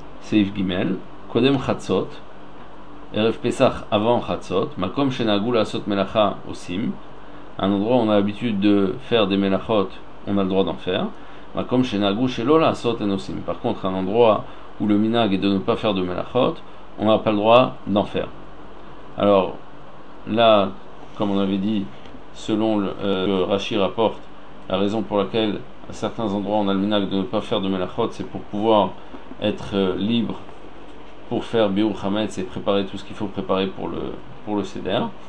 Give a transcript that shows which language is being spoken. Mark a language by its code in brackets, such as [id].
[he] Seif Gimel קודם חצות, ערב פסח [fr] avant [he] חצות, מקום שנהגו לעשות מלאכה עושים. [fr] Un endroit où on a l'habitude de faire des melachot, on a le droit d'en faire. [he] מקום שנהגו שלא לעשות אין עושים. [fr] Par contre, un endroit où le minag est de ne pas faire de melachot, on n'a pas le droit d'en faire. Alors, là, comme on avait dit, selon le Rashi rapporte, la raison pour laquelle à certains endroits on a le minag de ne pas faire de melachot, c'est pour pouvoir être libre pour faire biur chametz et préparer tout ce qu'il faut préparer pour le seder.